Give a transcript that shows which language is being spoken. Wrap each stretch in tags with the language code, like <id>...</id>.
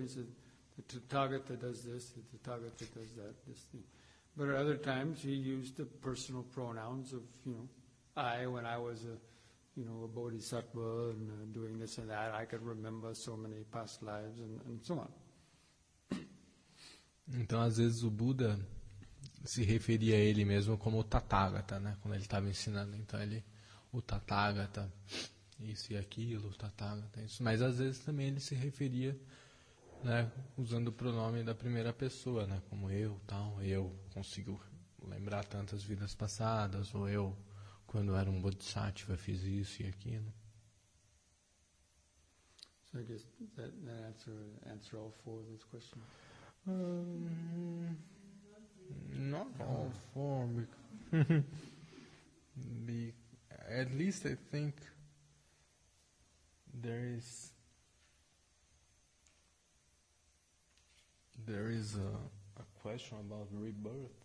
<en>He said, the Tathagata does this, the Tathagata does that, this thing. But at other times, he used the personal pronouns of, you know, I, when I was a bodhisattva and doing this and that, I could remember so many past lives and so on.</en> <pt>Então, às vezes, o Buda se referia a ele mesmo como o Tathagata, né? Quando ele estava ensinando. Então, ele, o Tathagata, isso e aquilo, o Tathagata, isso. Mas, às vezes, também ele se referia, né, usando o pronome da primeira pessoa, né, como eu, tal, eu consigo lembrar tantas vidas passadas, ou eu, quando era um bodhisattva, fiz isso e aquilo.</pt> <en>So I guess that answer all four of those questions. Not all four, at least I think there is a question about rebirth.</en>